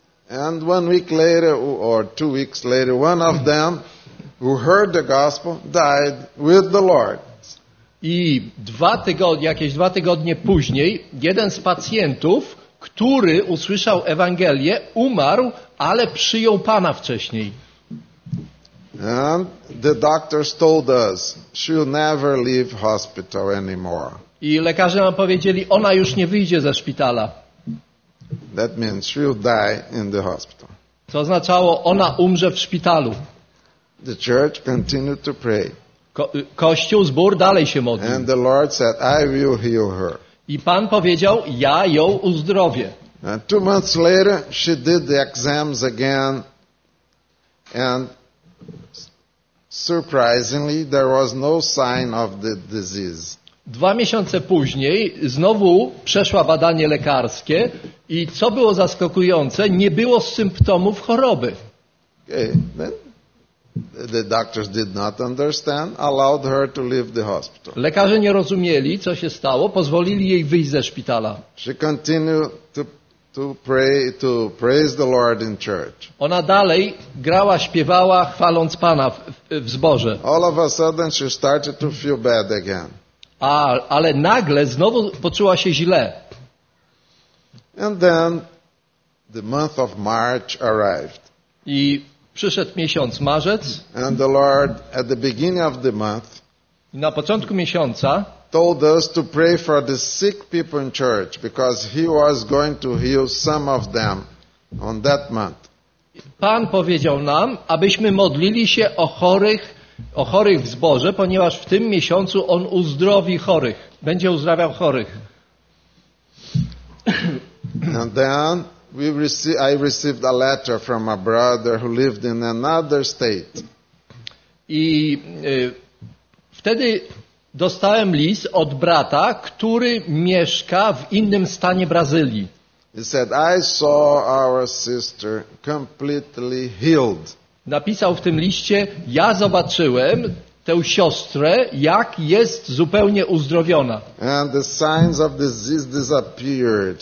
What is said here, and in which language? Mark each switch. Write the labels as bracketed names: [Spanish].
[English] And 1 week later or 2 weeks later, one of them who heard the gospel died with the Lord. [Polish] I jakieś dwa tygodnie później jeden z pacjentów, który usłyszał Ewangelię, umarł, ale przyjął Pana wcześniej. [English] And the doctors told us she'll never leave hospital anymore. [Polish] I lekarze nam powiedzieli, ona już nie wyjdzie ze szpitala. [English] That means she'll die in the hospital. [Polish] To oznaczało, ona umrze w szpitalu. [English] The church continued to pray. [Polish] Kościół, zbór dalej się modlił. [English] And the Lord said, I will heal her. [Polish] I Pan powiedział, ja ją uzdrowię. [English] And 2 months later she did the exams again and surprisingly, there was no sign of the disease. [Polish] 2 miesiące później znowu przeszła badanie lekarskie i co było zaskakujące, nie było symptomów choroby. [English] Okay. The doctors did not understand, allowed her to leave the hospital. [Polish] Lekarze nie rozumieli, co się stało, pozwolili jej wyjść ze szpitala. [English] She continued to praise the Lord in church. [Polish] Ona dalej grała, śpiewała, chwaląc Pana w zborze. [English] All of a sudden she started to feel bad again. [Polish] ale nagle znowu poczuła się źle. [English] And then the month of March arrived. [Polish] I przyszedł miesiąc marzec. [English] And the Lord at the beginning of the month [Polish] na początku miesiąca [English] told us to pray for the sick people in church because he was going to heal some of them on that month. [Polish] Pan powiedział nam, abyśmy modlili się o chorych w zborze, ponieważ w tym miesiącu on uzdrowi chorych, będzie uzdrawiał chorych. [English] And then I received a letter from a brother who lived in another state. [Polish] I wtedy dostałem list od brata, który mieszka w innym stanie Brazylii. [English] He said, I saw our sister completely healed. [Polish] Napisał w tym liście, ja zobaczyłem tę siostrę, jak jest zupełnie uzdrowiona. [English] And the signs of disease disappeared.